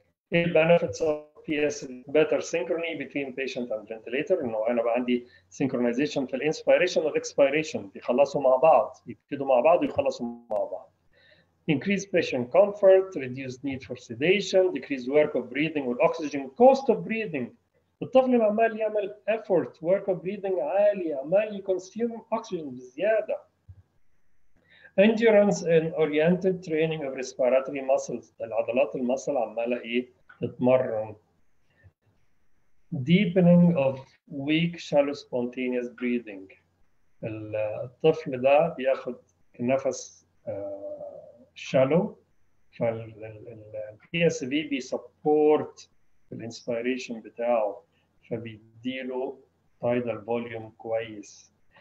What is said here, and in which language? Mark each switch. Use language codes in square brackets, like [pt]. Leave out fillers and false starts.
[en] The benefits of PS better synchrony between patient and ventilator. No, I have [ar] عندي [en] synchronization for inspiration and expiration. [ar] They خلصوا مع بعض. يبتدوا مع بعض ويخلصوا مع بعض. [en] Increase patient comfort, reduce need for sedation, decrease work of breathing with oxygen, cost of breathing. [ar] الطفل عمال يعمل effort, work of breathing عالي، عمال consume oxygen بزيادة. [en] Endurance and oriented training of respiratory muscles. [ar] العضلات المسل عماله ايه تتمرن. [en] Deepening of weak shallow spontaneous breathing. [ar] الطفل ده بياخد نفس shallow فال PSV بي support الانسبيريشن بتاعه فبيديله tidal volume كويس.